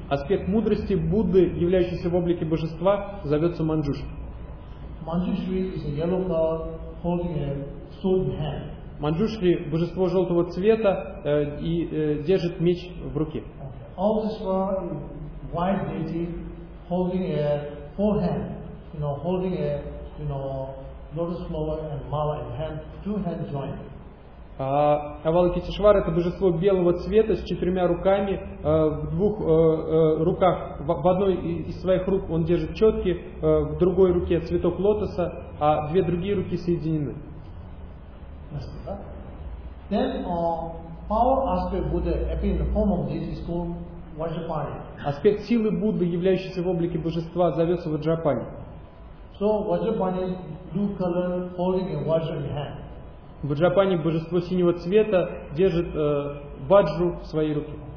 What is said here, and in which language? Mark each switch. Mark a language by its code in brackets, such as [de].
[ru] Аспект мудрости Будды, являющийся в облике божества, зовется Манджуши. [en] Manjushri is a yellow color holding a sword in hand. [ru] Манджушри божество желтого цвета и держит меч в руке. [en] Avalokiteshvara is white deity holding a four hand, you know, holding a, you know, lotus flower and mala in hand, two hand joined. [ru] Авалокитешвара это божество белого цвета с четырьмя руками в двух руках в одной из своих рук он держит четки в другой руке цветок лотоса а две другие руки соединены. [en] Then, power aspect Buddha appearing in the form of deity is called Vajrapani. [ru] Аспект силы Будды являющийся в облике божества зовется Vajrapani. [en] So Vajrapani blue color holding a Vajra in hand. [ru] В Джапане божество синего цвета держит ваджру в своей руке.